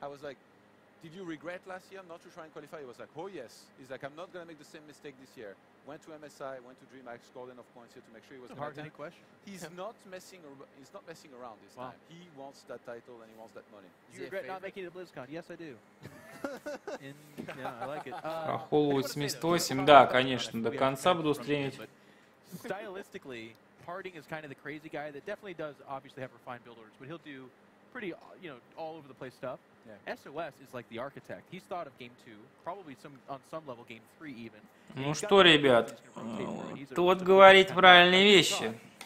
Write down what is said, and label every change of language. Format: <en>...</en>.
<en>I was like, did you regret last year not to try and qualify? He was like, oh yes. He's like, I'm not going to make the same mistake this year. Went to MSI, went to DreamHack, scored enough points here to make sure he was going to attend. That's a hard-hitting question. He's not messing around this time. He wants that title and he wants that money. Do you regret not making it to BlizzCon? Yes, I do. Yeah, I like it.</en> <ru>Холлоуд 78, да, конечно, до конца буду стримить.</ru> <en>Stylistically, Harding is kind of the crazy guy that definitely does obviously have refined build orders, but he'll do pretty, you know, all over the place stuff. Yeah. SOS is like the architect. He's thought of game 2, probably on some level game 3 even.</en> <ru>Ну что, ребят, тот говорит правильные вещи.</ru>